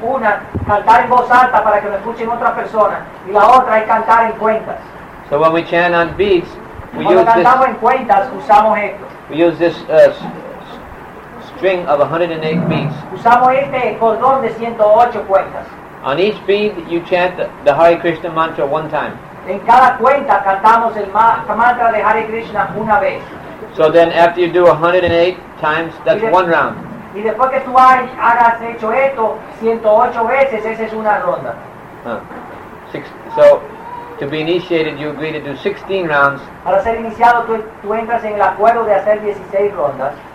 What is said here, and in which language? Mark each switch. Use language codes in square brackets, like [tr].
[es] Una, cantar en voz alta para que lo escuchen otras personas, y la otra es cantar en cuentas. [en] So when we chant on beads, we [es] cantamos en cuentas, usamos esto. [en] We use this string of 108 beads. [es] Usamos este cordón de 108 cuentas. [en] On each bead, you chant the Hare Krishna mantra one time. [es] En cada cuenta cantamos el mantra de Hare Krishna una vez. [en] So then after you do 108 times, that's one round. [es] Y después que tú hayas hecho esto 108 veces, esa es una ronda. [en] So, to be initiated, you agree to do 16 rounds. [es] Para ser iniciado, tú entras en el acuerdo de hacer 16 rondas.